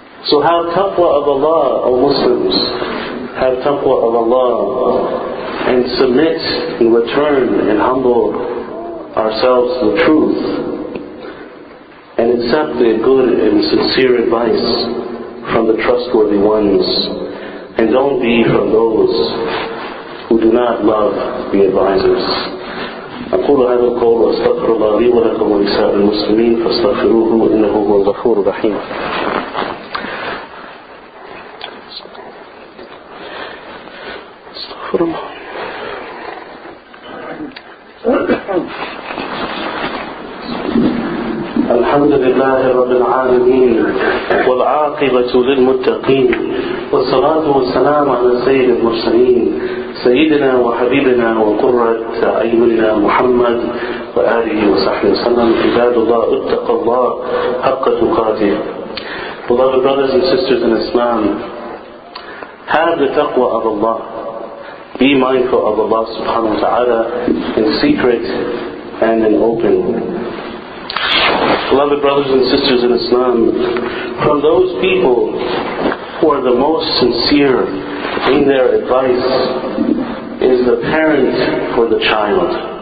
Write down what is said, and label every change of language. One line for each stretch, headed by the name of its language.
English: So have taqwa of Allah, O Muslims. Have taqwa of Allah and submit and return and humble ourselves to the truth and accept the good and sincere advice from the trustworthy ones, and don't be from those who do not love the advisers.
Arabic: أقول هذا القول وأستغفر الله لي ولكم ولسائر المسلمين فاستغفروه إنه هو الغفور الرحيم. استغفر الله. الحمد لله رب العالمين والعاقبة للمتقين والصلاة والسلام على سيد المرسلين سيدنا وحبيبنا وقرة أعيننا محمد وآله وصحبه وسلم. عباد الله اتق الله حق تقاته.
English: Beloved brothers and sisters in Islam, have the taqwa of Allah. Be mindful of Allah subhanahu wa ta'ala in secret and in open. Beloved brothers and sisters in Islam, from those people who are the most sincere in their advice is the parent for the child.